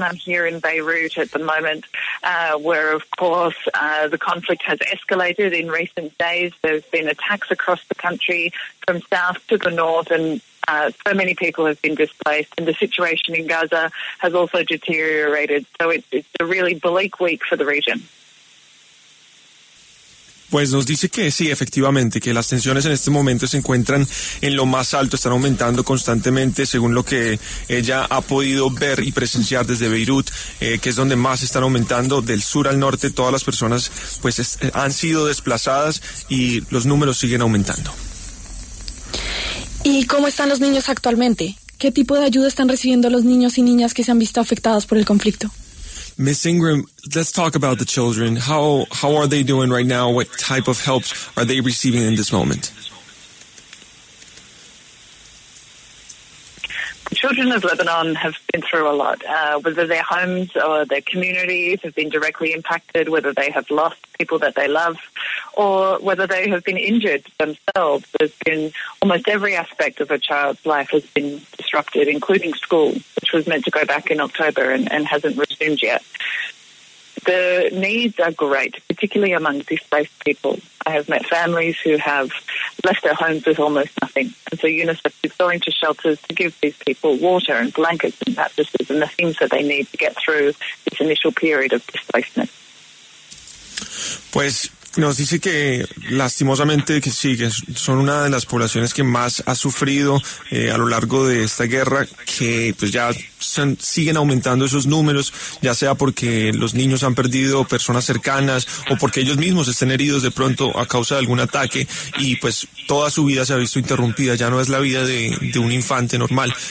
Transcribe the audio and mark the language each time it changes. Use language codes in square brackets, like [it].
[en] I'm here in Beirut at the moment, where, of course, the conflict has escalated in recent days. There's been attacks across the country from south to the north, and so many people have been displaced. And the situation in Gaza has also deteriorated. So it's a really bleak week for the region. [es] Pues nos dice que sí, efectivamente, que las tensiones en este momento se encuentran en lo más alto, están aumentando constantemente, según lo que ella ha podido ver y presenciar desde Beirut, que es donde más están aumentando, del sur al norte, todas las personas pues han sido desplazadas y los números siguen aumentando. ¿Y cómo están los niños actualmente? ¿Qué tipo de ayuda están recibiendo los niños y niñas que se han visto afectados por el conflicto? [en] Miss Ingram, let's talk about the children. How are they doing right now? What type of help are they receiving in this moment? The children of Lebanon have been through a lot. Whether their homes or their communities have been directly impacted, whether they have lost people that they love, or whether they have been injured themselves, there's been almost every aspect of a child's life has been disrupted, including school, which was meant to go back in October and hasn't resumed yet. The needs are great, particularly among displaced people. I have met families who have left their homes with almost nothing. And so UNICEF is going to shelters to give these people water and blankets and mattresses and the things that they need to get through this initial period of displacement. [es] Pues nos dice que lastimosamente que sí, que son una de las poblaciones que más ha sufrido a lo largo de esta guerra, que pues ya siguen aumentando esos números, ya sea porque los niños han perdido personas cercanas o porque ellos mismos estén heridos de pronto a causa de algún ataque y pues toda su vida se ha visto interrumpida, ya no es la vida de un infante normal.